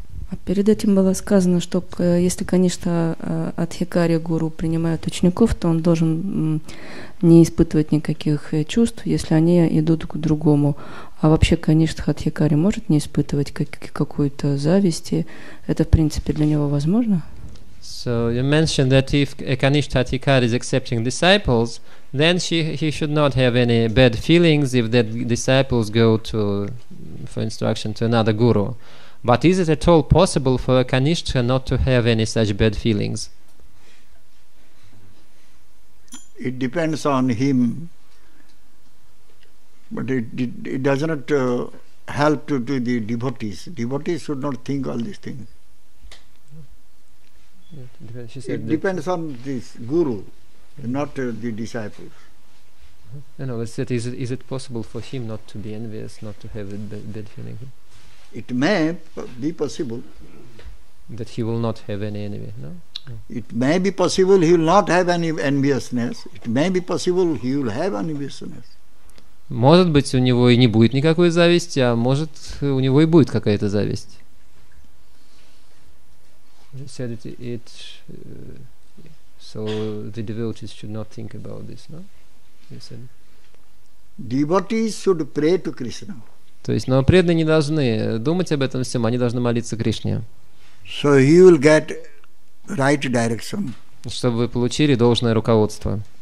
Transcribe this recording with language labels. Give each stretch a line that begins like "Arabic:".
Russian: А перед этим было сказано, что если, конечно, Адхикари гуру принимает учеников, то он должен не испытывать никаких чувств, если они идут к другому. А вообще, конечно, Адхикари может не испытывать какой-то зависти. Это, в принципе, для него возможно?
English: So you mentioned that if a Kanishtha Adhikari is accepting disciples, then he should not have any bad feelings if the disciples go to for instruction to another guru. But is it at all possible for a Kanishtha not to have any such bad feelings? It depends on him, but it does not help to the devotees. Devotees should not think all these things. It depends on this guru, not the disciples. You know, is it possible for him not to be envious, not to have a bad feeling? It may be possible that he will not have any envy. No. It may be possible he will not have any enviousness. It may be possible he will have enviousness.
Russian: Может быть, у него и не будет никакой зависти, а может, у него и будет какая-то зависть.
English: He said it so the devotees should not think about this, no? He said. Devotees should pray to Krishna.
Russian: То есть, но преданные не должны думать об этом всем, они должны молиться Кришне.
English: So he will get right direction.
Russian: Чтобы вы получили должное руководство.